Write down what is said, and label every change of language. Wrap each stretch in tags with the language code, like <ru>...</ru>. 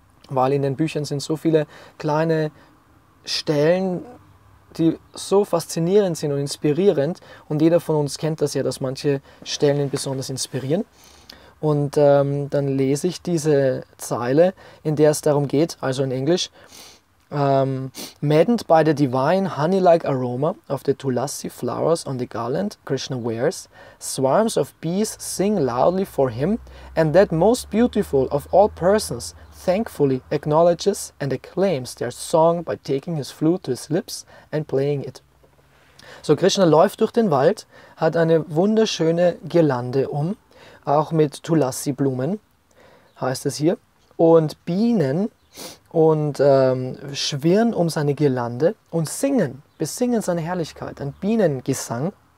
<de>Weil in den Büchern sind so viele kleine Stellen, die so faszinierend sind und inspirierend. Und jeder von uns kennt das ja, dass manche Stellen ihn besonders inspirieren. Und dann lese ich diese Zeile, in der es darum geht, also in Englisch.</de> <en>Maddened by the divine honey-like aroma of the tulasi flowers on the garland Krishna wears, swarms of bees sing loudly for him, and that most beautiful of all persons thankfully acknowledges and acclaims their song by taking his flute to his lips and playing it.</en> <de>So, Krishna läuft durch den Wald, hat eine wunderschöne Girlande um, auch mit Tulasi-Blumen, heißt es hier, und Bienen und schwirren um seine Girlande und singen, besingen seine Herrlichkeit, ein Bienengesang.</de>